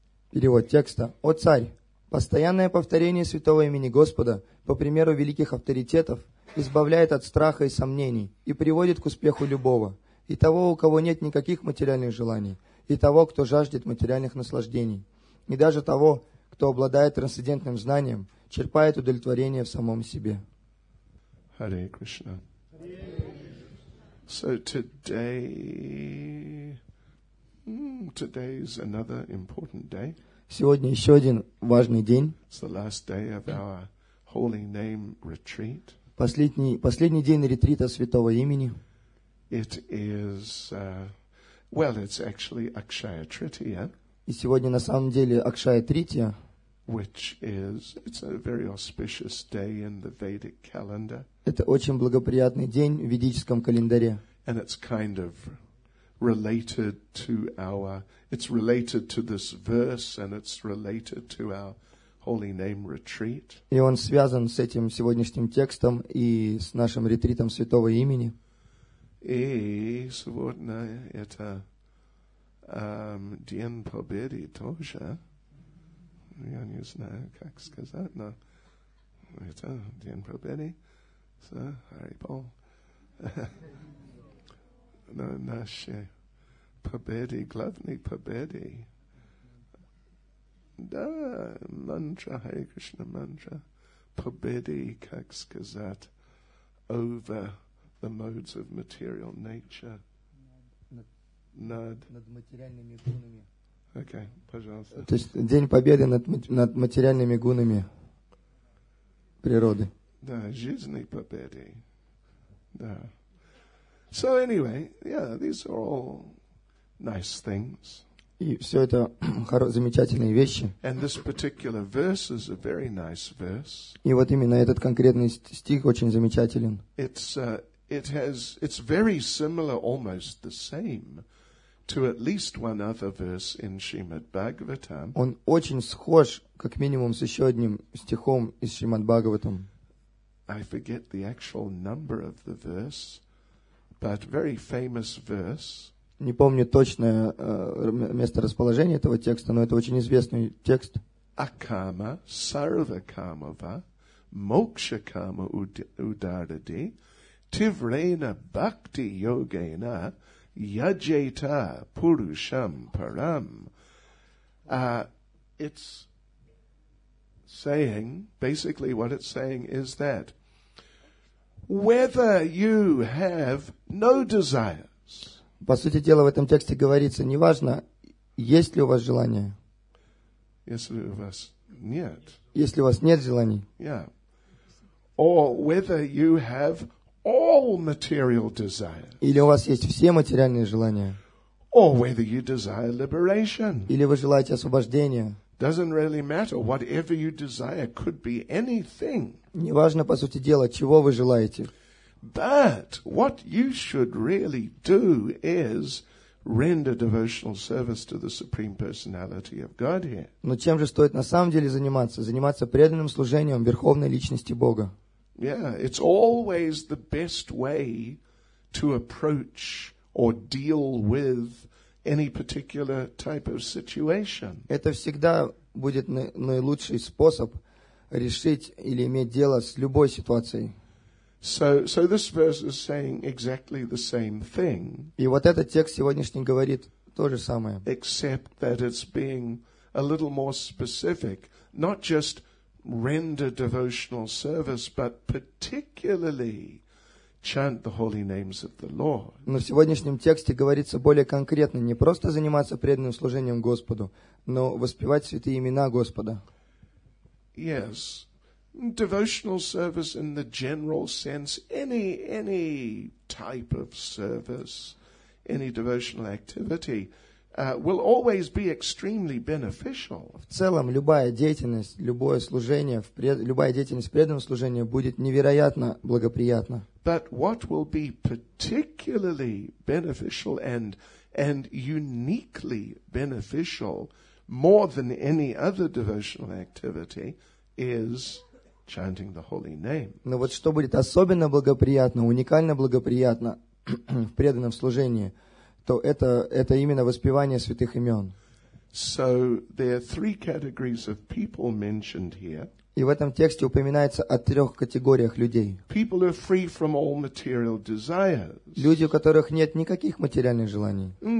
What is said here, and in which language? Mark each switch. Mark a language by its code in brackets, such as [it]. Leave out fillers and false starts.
[ru] Перевод текста. «О царь! Постоянное повторение святого имени Господа, по примеру великих авторитетов, избавляет от страха и сомнений и приводит к успеху любого, и того, у кого нет никаких материальных желаний, и того, кто жаждет материальных наслаждений, и даже того, кто обладает трансцендентным знанием, черпает удовлетворение в самом себе. [en] Hare Krishna. So today, today is another important day. [ru] Сегодня еще один важный день. [en] It's the last day of our holy name retreat. [ru] Последний день ретрита святого имени. [en] It is Well, it's actually Akshaya Tritiya. [ru] И сегодня на самом деле Акшая Тритья. [en] Which is, it's a very auspicious day in the Vedic calendar. [ru] Это очень благоприятный день в ведическом календаре. [en] And it's kind of related to our, it's related to this verse and it's related to our holy name retreat. [ru] И он связан с этим сегодняшним текстом и с нашим ретритом святого имени. И сегодня это День Победы тоже. Я не знаю, как сказать, но это День Победы. [en] So, Harry Paul. [ru] На нашей победе, главной победе. Да, мантра, Харе Кришна мантра. Победе, как сказать, [en] over the modes of material nature. [ru] Над материальными гунами. Окей, пожалуйста. То есть День Победы над материальными гунами природы. Да, жизненной победы. Да. [en] So anyway, yeah, these are all nice things. [ru] И все это замечательные вещи. [en] And this particular verse is a very nice verse. [ru] И вот именно этот конкретный стих очень замечателен. [en] It's very similar, almost the same, to at least one other verse in Srimad Bhagavatam. [ru] Он очень схож, как минимум, с еще одним стихом из Шримад Бхагаватам. [en] I forget the actual number of the verse. But very famous verse. [ru] Не помню точное место расположения этого текста, но это очень известный текст. [sa] Акама сарвакамова мокшакама ударади тиврена бхакти йогена яджета пурушам парам. [en] It's saying, basically what it's saying is that whether you have no desires. [ru] По сути дела, в этом тексте говорится, неважно, есть ли у вас желание. Если у вас нет. Если у вас нет желаний. [en] Yeah. Or whether you have all material desires. [ru] Или у вас есть все материальные желания. [en] Or whether you desire liberation. [ru] Или вы желаете освобождения. [en] Doesn't really matter. Whatever you desire could be anything. [ru] Неважно, по сути дела, чего вы желаете. [en] But what you should really do is render devotional service to the Supreme Personality of Godhead. [ru] Но чем же стоит на самом деле заниматься? Заниматься преданным служением Верховной Личности Бога. [en] Yeah, it's always the best way to approach or deal with any particular type of situation. [ru] Это всегда будет наилучший способ решить или иметь дело с любой ситуацией. [en] So this verse is saying exactly the same thing. [ru] И вот этот текст сегодняшний говорит то же самое. [en] Except that it's being a little more specific, not just render devotional service, but particularly chant the holy names of the Lord. [ru] Но в сегодняшнем тексте говорится более конкретно, не просто заниматься преданным служением Господу, но воспевать святые имена Господа. [en] Yes, devotional service in the general sense, any type of service, any devotional activity, will always be extremely beneficial. [ru] В целом любая деятельность, любое служение, любая деятельность преданного служения будет невероятно благоприятна. [en] But what will be particularly beneficial and uniquely beneficial, more than any other devotional activity, is chanting the holy name. [ru] Но вот что будет особенно благоприятно, уникально благоприятно в преданном служении, то это именно воспевание святых имен. [en] So there are three categories of people mentioned here. [ru] И в этом тексте упоминается о трех категориях людей. [en] People are free from all material desires. [ru] Люди, у которых нет никаких материальных желаний.